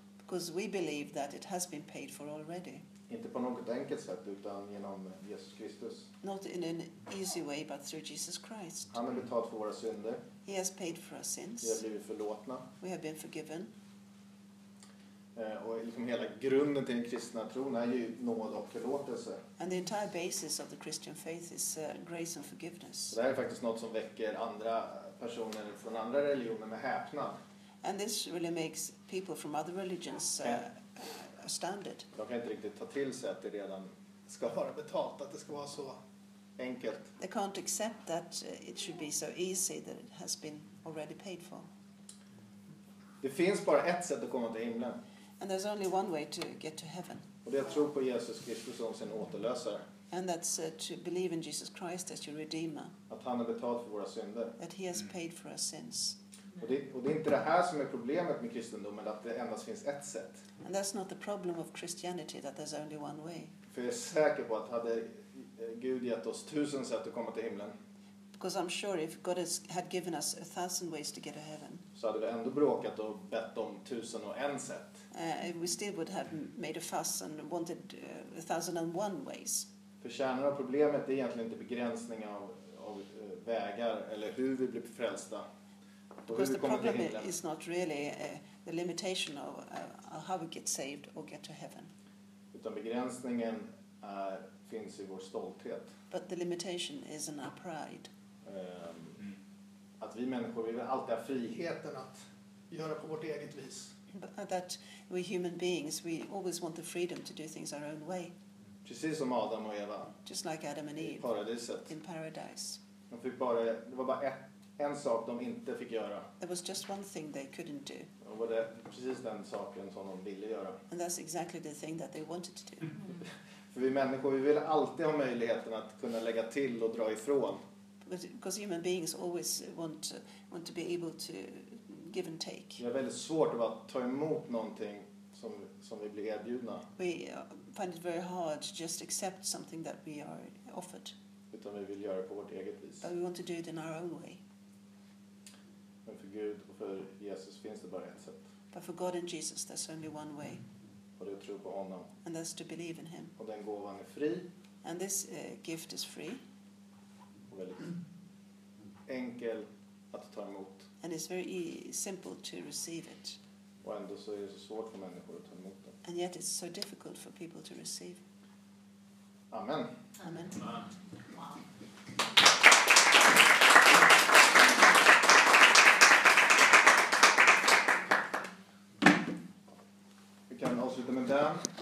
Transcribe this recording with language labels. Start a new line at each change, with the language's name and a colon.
English: Because we believe that it has been paid for already.
Swedish: Inte på något enkelt sätt utan genom Jesus Kristus.
English: Not in an easy way but through Jesus Christ.
Swedish: Han har betalt för våra synder.
English: He has paid for our sins.
Swedish: Vi har blivit förlåtna.
English: We have been forgiven.
Swedish: Och liksom hela grunden till den kristna tron är ju nåd och förlåtelse.
English: And the entire basis of the Christian faith is grace and forgiveness.
Swedish: Det här är faktiskt något som väcker andra personer från andra religioner med häpnad.
English: And this really makes people from other religions astounded.
Swedish: De kan inte riktigt ta till sig att det redan ska vara betalt, att det ska vara så. Enkelt.
English: They can't accept that it should be so easy that it has been already paid for.
Swedish: Det finns bara ett sätt att komma till himlen.
English: And there's only one way to get to heaven.
Swedish: Och det är att tro på Jesus Kristus som sin återlösare.
English: And that's to believe in Jesus Christ as your redeemer.
Swedish: Att han har betalt för våra synder.
English: That he has paid for our sins.
Swedish: Och det är inte det här som är problemet med kristendomen, att det endast finns ett sätt.
English: And that's not the problem of Christianity, that there's only one way.
Swedish: För jag är säker på att hade Gud gett oss 1000 sätt att komma till himlen.
English: Because I'm sure if God had given us 1000 ways to get to heaven.
Swedish: Så hade vi ändå bråkat och bett om 1001 sätt.
English: We still would have made a fuss and wanted 1001 ways.
Swedish: För kärnan av problemet är egentligen inte begränsning av vägar eller hur vi blir frälsta.
English: Because the problem is not really the limitation of how we get saved or get to heaven.
Swedish: Utan begränsningen är finns i vår stolthet.
English: But the limitation is in our pride.
Swedish: Att vi människor vill alltid ha friheten att göra på vårt eget vis.
English: But that we human beings we always want the freedom to do things our own way.
Swedish: Precis som Adam och Eva.
English: Just like Adam and Eve.
Swedish: I paradiset.
English: In paradise.
Swedish: De fick bara, det var bara en sak de inte fick göra.
English: There was just one thing they couldn't do.
Swedish: Och var det precis den saken som de ville göra.
English: And that's exactly the thing that they wanted to do.
Swedish: För vi människor, vi vill alltid ha möjligheten att kunna lägga till och dra ifrån.
English: Because human beings always want to be able to give and take.
Swedish: Det är väldigt svårt att ta emot någonting som vi blir erbjudna.
English: We find it very hard to just accept something that we are offered.
Swedish: Utan vi vill göra det på vårt eget vis.
English: But we want to do it in our own way.
Swedish: Men för Gud och för Jesus finns det bara ett sätt.
English: But for God and Jesus there's only one way.
Swedish: Och det är att tro på honom.
English: And that's to believe in him.
Swedish: Och den gåvan är fri.
English: And this gift is free.
Swedish: Och väldigt enkel att ta emot.
English: And it's very simple to receive it.
Swedish: Och ändå så är det så svårt för människor att ta emot det.
English: And yet it's so difficult for people to receive.
Swedish: Amen.
English: Amen.
Swedish: Wow. Vi kan avsluta med det.